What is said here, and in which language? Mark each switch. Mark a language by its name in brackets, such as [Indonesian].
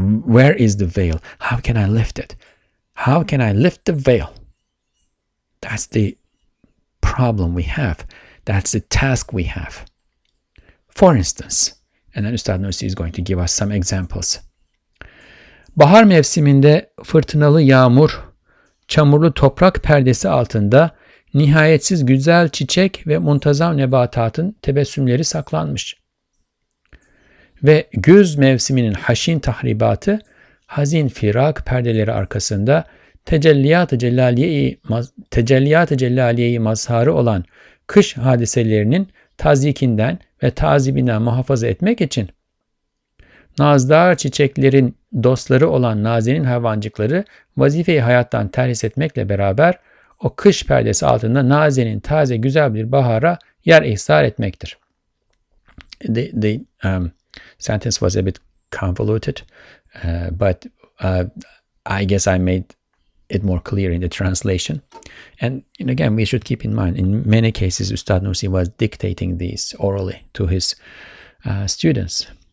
[English] Where is the veil? How can I lift it? How can I lift the veil? That's the problem we have. That's the task we have. For instance, and then Üstad Nursi is going to give us some examples. [Turkish] Bahar mevsiminde fırtınalı yağmur, çamurlu toprak perdesi altında nihayetsiz güzel çiçek ve muntazam nebatatın tebessümleri saklanmış. Ve güz mevsiminin haşin tahribatı, hazin firak perdeleri arkasında tecelliyat-ı celaliye-i mazharı olan kış hadiselerinin tazikinden ve tazibinden muhafaza etmek için nazdar çiçeklerin dostları olan nazenin hayvancıkları vazifeyi hayattan terhis etmekle beraber o kış perdesi altında nazenin taze güzel bir bahara yer ihsar etmektir. [English] The sentence was a bit convoluted, but I guess I made it more clear in the translation. And again, we should keep in mind, in many cases, Üstad Nursi was dictating these orally to his students.